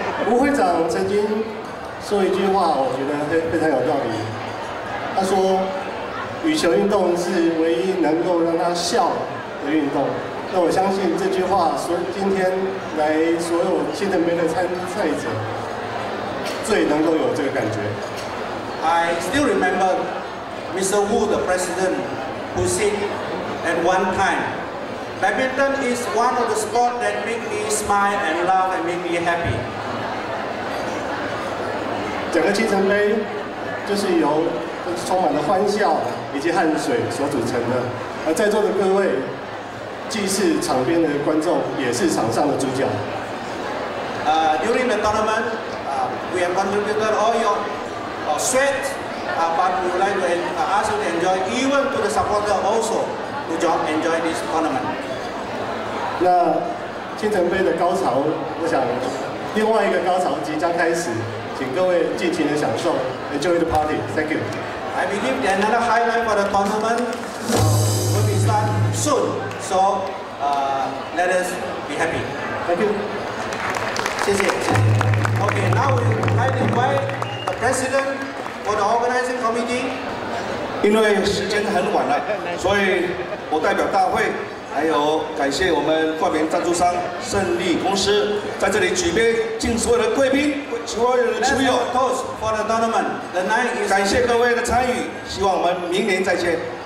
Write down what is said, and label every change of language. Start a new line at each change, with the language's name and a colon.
Chinese: 吴会长曾经说一句话，我觉得非常有道理。他说。羽球运动是唯一能够让他笑的运动，那我相信这句话，所以今天来所有清晨杯的参赛者最能够有这个感觉。
English: I still remember Mr. Wu, the president, who said at one time, badminton is one of the sport that make me smile and laugh and make me happy.
Chinese: 整个清晨杯就是由充满了欢笑以及汗水所组成的，而在座的各位既是场边的观众，也是场上的主角。
English: During the tournament, we have contributed all your sweat, but we would like to ask you to enjoy, even to the supporter also, to join, enjoy this tournament.
Chinese: 那青城杯的高潮，我想另外一个高潮即将开始，请各位尽情的享受 ，
English: enjoy the party. Thank you. I believe that another highlight for the tournament will be start soon. So let us be happy. Thank you.
Chinese: 谢谢。
English: Okay, now we kindly invite the president for the organizing committee.
Chinese: 因为时间很晚了，所以我代表大会，还有感谢我们冠名赞助商胜利公司，在这里举杯敬所有的贵宾、所有的球友。
English: Toast for the tournament. The night is.
Chinese: 感谢各位的参与，希望我们明年再见。